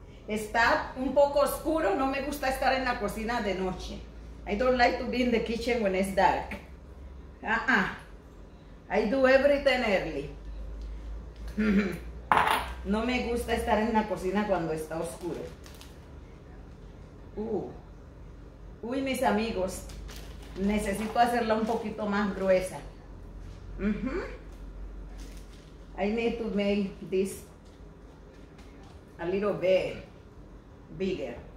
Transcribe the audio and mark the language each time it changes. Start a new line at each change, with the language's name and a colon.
Spanish: Está un poco oscuro, no me gusta estar en la cocina de noche.
English: I don't like to be in the kitchen when it's dark. I do everything early.
Spanish: No me gusta estar en la cocina cuando está oscuro. Uy, mis amigos, necesito hacerla un poquito más gruesa.
English: I need to make this a little bit bigger.